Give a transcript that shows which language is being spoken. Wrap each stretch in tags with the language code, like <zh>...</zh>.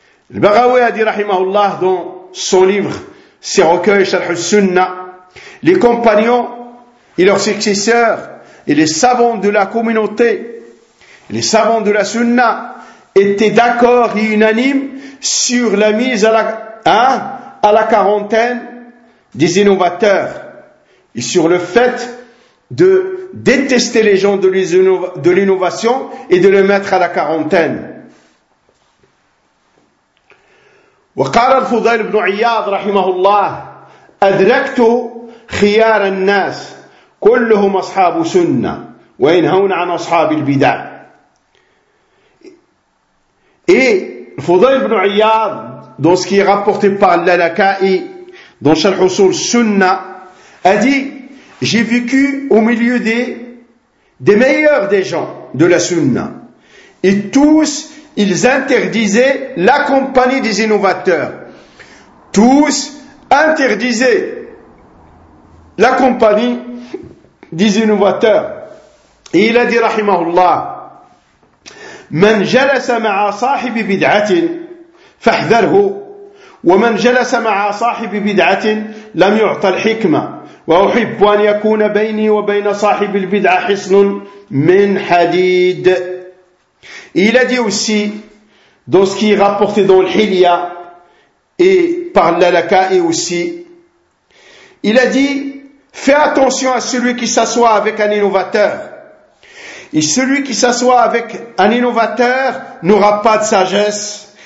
<fr>Le Baghawi a dit, rahimahullah, dans son livre, ses recueils, Sharh al-Sunnah, les compagnons et leurs successeurs et les savants de la communauté, les savants de la Sunnah, étaient d'accord et unanimes sur la mise à la quarantaine des innovateurs et sur le fait de détester les gens de l'innovation et de les mettre à la quarantaine.</fr> <ar>وقال الفضيل بن عياض رحمه الله أدركت خيار الناس كلهم أصحاب سنة وينهون عن أصحاب البدع.</ar> <fr>Et الفضيل بن عياض dans ce qui est rapporté par l'Alakai dans شرح أصول السنة a dit, j'ai vécu au milieu des meilleurs des gens de la Sunna et tous ils interdisaient la compagnie des innovateurs. Tous interdisaient la compagnie des innovateurs. Et il a dit,</fr> <ar>rahimahullah, من جلس مع صاحب بدعة فاحذره ومن جلس مع صاحب بدعة لم يعطى الحكمة وأحب أن يكون بيني وبين صاحب البدعة حصن من حديد.</ar> <fr>Et il a dit aussi, dans ce qui est rapporté dans le Hilya et par l'Alaka et aussi, il a dit, fais attention à celui qui s'assoit avec un innovateur. Et celui qui s'assoit avec un innovateur n'aura pas de sagesse.</fr>